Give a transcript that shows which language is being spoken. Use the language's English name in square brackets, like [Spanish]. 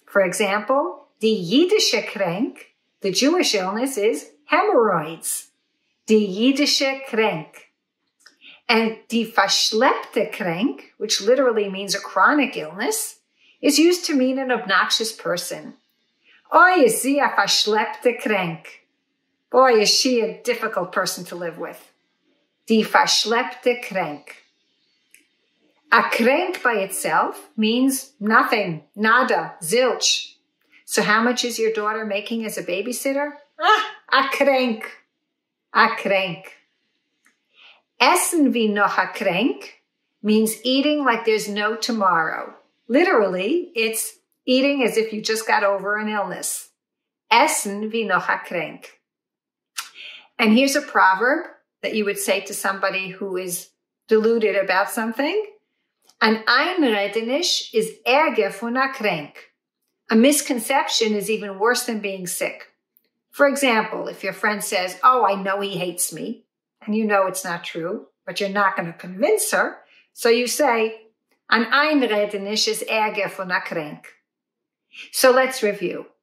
[English] For example, [Yiddish] die Yiddische Krank, [English] the Jewish illness, is hemorrhoids. [Yiddish] Die Yiddische Krank. [English] And [Yiddish] die verschleppte Krank, [English] which literally means a chronic illness, is used to mean an obnoxious person. [Yiddish] Oy, is sie a verschleppte Krank. [English] Boy, is she a difficult person to live with. [Yiddish] Die verschleppte Krank. [English] A krank by itself means nothing, nada, zilch. So how much is your daughter making as a babysitter? Ah, a krank, a krank. [Yiddish] Essen wie noch a krank [English] means eating like there's no tomorrow. Literally, it's eating as if you just got over an illness. [Yiddish] Essen wie noch a krank. [English] And here's a proverb that you would say to somebody who is deluded about something. [Yiddish] An einredenisch is ärger von a krank. [English] A misconception is even worse than being sick. For example, if your friend says, oh, I know he hates me, and you know it's not true, but you're not going to convince her, so you say, [Yiddish] an einredenisch is ärger von a krank. [English] So let's review.